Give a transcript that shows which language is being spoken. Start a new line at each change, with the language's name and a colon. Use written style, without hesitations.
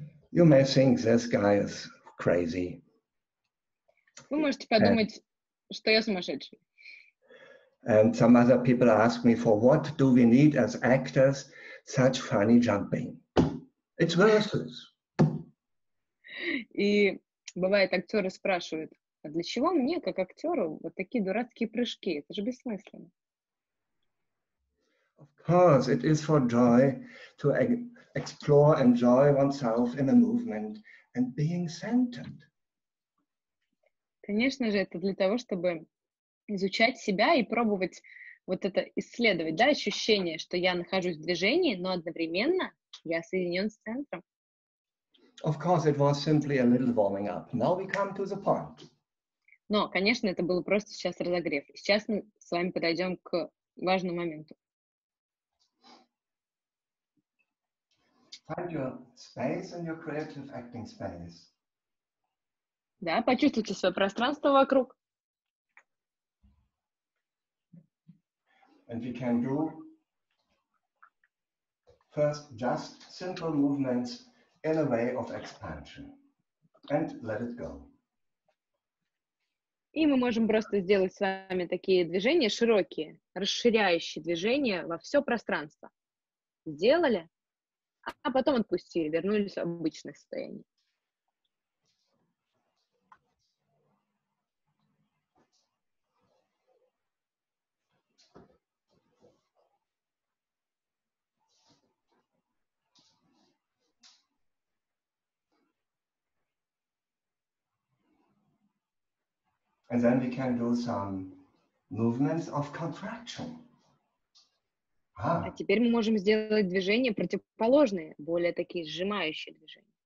English: You may think this guy is crazy.
Russian: Вы можете подумать, что я сумасшедший.
English: And some other people ask me, for what do we need as actors such funny jumping? It's verses.
Russian: И бывает, актеры спрашивают, а для чего мне, как актеру, вот такие дурацкие прыжки? Это же бессмысленно.
English: Of course, it is for joy to explore and enjoy oneself in a movement and being centered.
Russian: Конечно же, это для того, чтобы изучать себя и пробовать вот это исследовать, да, ощущение, что я нахожусь в движении, но одновременно я соединен с центром.
English: Of course, it was simply a little warming up. Now we come to the point.
Russian: Но, конечно, это был просто сейчас разогрев. Сейчас мы с вами подойдем к важному моменту.
English: Find your space and your creative acting space.
Russian: Да, почувствуйте свое пространство вокруг.
English: And we can do first just simple movements in a way of expansion. and let it go.
Russian: И мы можем просто сделать с вами такие движения широкие, расширяющие движения во все пространство. Сделали, а потом отпустили, вернулись в обычное состояние.
English: And then we can do some movements of contraction.
Russian: А теперь мы можем сделать движения противоположные, более такие сжимающие движения.